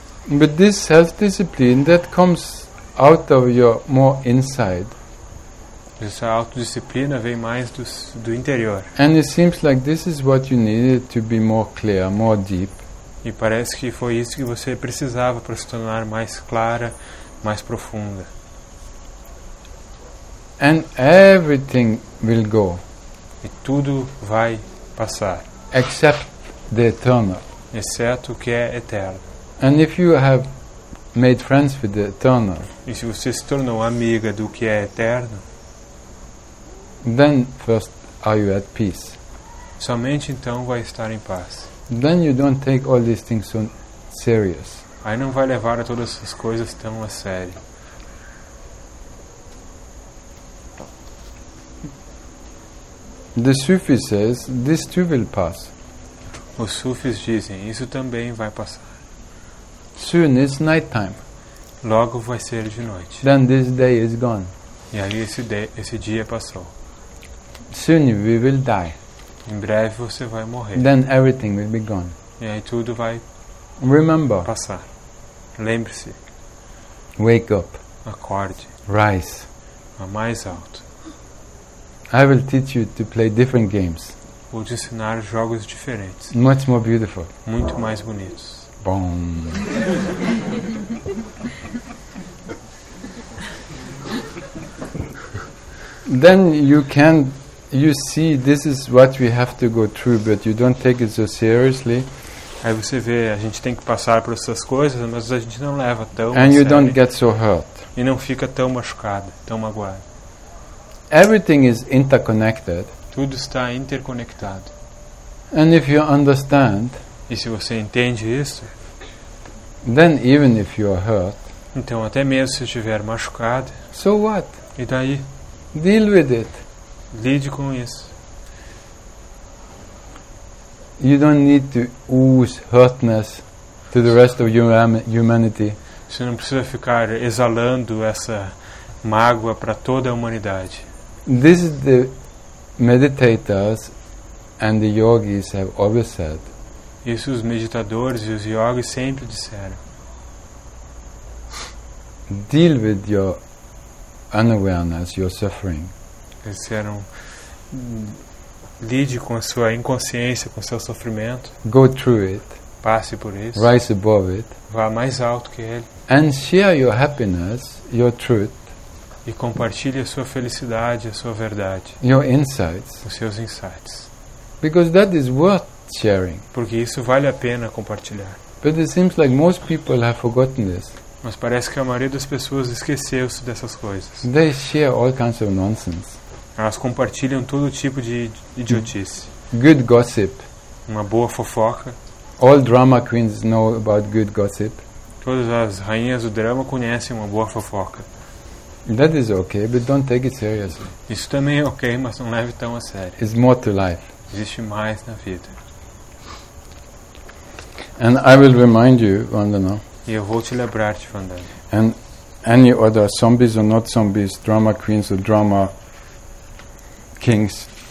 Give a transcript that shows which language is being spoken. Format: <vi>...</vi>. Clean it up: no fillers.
<en>But this self-discipline that comes out of your more inside.</en> <pt>Essa autodisciplina vem mais do interior.</pt> <en>And it seems like this is what you needed to be more clear, more deep.</en> <pt>E parece que foi isso que você precisava para se tornar mais clara, mais profunda.</pt> <en>And everything will go.</en> <pt>E tudo vai passar.</pt> <en>Except the eternal.</en> <pt>Exceto o que é eterno.</pt> <en>And if you have made friends with the eternal,</en> <pt>e se você se tornou amiga do que é eterno,</pt> <en>then first are you at peace.</en> <pt>Somente então vai estar em paz.</pt> <en>Then you don't take all these things so serious.</en> <pt>Aí não vai levar a todas essas coisas tão a sério.</pt> <en>The Sufi says this too will pass.</en> <pt>Os sufis dizem isso também vai passar.</pt> <en>Soon it's night time.</en> <pt>Logo vai ser de noite.</pt> <en>Then this day is gone.</en> <pt>E aí esse dia passou.</pt> <en>Soon we will die.</en> <pt>Em breve você vai morrer.</pt> <en>Then everything will be gone.</en> <pt>E aí tudo vai</pt> <en>remember.</en> <pt>Passar. Lembre-se.</pt> <en>Wake up.</en> <pt>Acorde.</pt> <en>Rise.</en> <pt>A mais alto.</pt> <en>I will teach you to play different games.</en> <pt>Vou te ensinar jogos diferentes.</pt> <en>Much more beautiful.</en> <pt>Muito mais bonitos. Bom.</pt> <en>Then you can, you see, this is what we have to go through, but you don't take it so seriously.</en> <pt>Aí você vê, a gente tem que passar por essas coisas, mas a gente não leva tão.</pt> <en>And you don't get so hurt.</en> <pt>E não fica tão machucado, tão magoado.</pt> <en>Everything is interconnected.</en> <pt>Tudo está interconectado.</pt> <en>And if you understand,</en> <pt>e se você entende isso,</pt> <en>then even if you are hurt,</en> <pt>então até mesmo se estiver machucado,</pt> <en>so what?</en> <pt>E daí?</pt> <en>Deal with it.</en> <pt>Lide com isso.</pt> <en>You don't need to ooze hurtness to the rest of humanity.</en> <pt>Você não precisa ficar exalando essa mágoa para toda a humanidade.</pt> <en>This is the meditators and the yogis have always said.</en> <pt>Isso os meditadores e os yogis sempre disseram.</pt> <en>Deal with your unawareness, your suffering.</en> <pt>Eles disseram, lide com a sua inconsciência, com seu sofrimento.</pt> <en>Go through it.</en> <pt>Passe por isso.</pt> <en>Rise above it.</en> <pt>Vá mais alto que ele.</pt> <en>And share your happiness, your truth.</en> <pt>E compartilhe a sua felicidade, a sua verdade.</pt> <en>Your insights.</en> <pt>Os seus insights.</pt> <en>Because that is worth sharing.</en> <pt>Porque isso vale a pena compartilhar.</pt> <en>But it seems like most people have forgotten this.</en> <pt>Mas parece que a maioria das pessoas esqueceu-se dessas coisas.</pt> <en>They share all kinds of nonsense.</en> <pt>Elas compartilham todo tipo de idiotice.</pt> <en>Good gossip.</en> <pt>Uma boa fofoca.</pt> <en>All drama queens know about good gossip.</en> <pt>Todas as rainhas do drama conhecem uma boa fofoca.</pt> <en>That is okay, but don't take it seriously.</en> <pt>Isso também é ok, mas não leve tão a sério.</pt> <en>It's more to life.</en> <pt>Existe mais na vida.</pt> <en>And I will remind you, Vandana.</en> <pt>E eu vou te lembrar, Vandana.</pt> <en>And any other zombies or not zombies, drama queens or drama kings.</en>